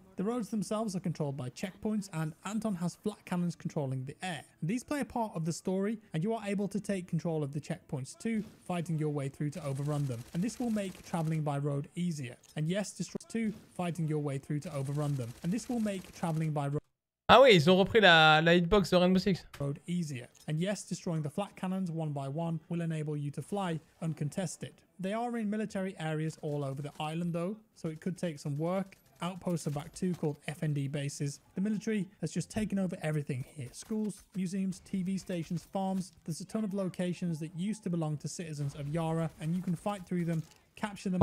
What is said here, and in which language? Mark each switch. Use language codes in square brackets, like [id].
[en] The roads themselves are controlled by checkpoints, and Anton has flat cannons controlling the air. These play a part of the story, and you are able to take control of the checkpoints too, fighting your way through to overrun them. And this will make traveling by road easier. And yes, destroy too, fighting your way through to overrun them. And this will make traveling by road. [fr] Ah oui, ils ont repris la hitbox de Rainbow Six. [en] Road easier. And yes, destroying the flat cannons one by one will enable you to fly uncontested. They are in military areas all over the island though, so it could take some work. Outposts are back too, called FND bases. The military has just taken over everything here. Schools, museums, TV stations, farms. There's a ton of locations that used to belong to citizens of Yara, and you can fight through them, capture them.